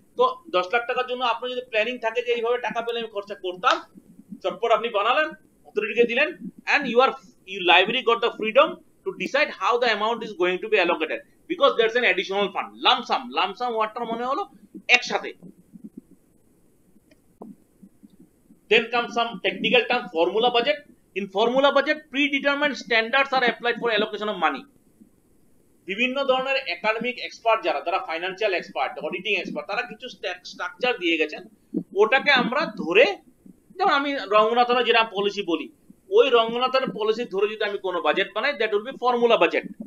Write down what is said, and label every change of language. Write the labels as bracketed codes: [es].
[bn] তো 10 লাখ টাকার জন্য আপনার যদি প্ল্যানিং থাকে যে এইভাবে টাকা পেলে আমি খরচা করতাম, চটপট আপনি বানালেন, অথরিটিকে দিলেন, [en] And you are you library got the freedom to decide how the amount is going to be allocated because that's an additional fund. [bn] Lump sum lump sum ওয়ার্ডটার মনে হলো একসাথে। [en] Then comes some technical term, formula budget. In formula budget, predetermined standards are applied for allocation of money. [bn] বিভিন্ন ধরনের academic expert যারা, তারা financial expert, auditing expert, তারা কিছু structure দিয়ে গেছেন, ওটাকে আমরা ধরে, যেমন আমি রঙ্গনাথন যেরকম পলিসি বলি, ওই রঙ্গনাথন পলিসি ধরে যদি আমি কোনো বাজেট বানাই, [en] That will be formula budget.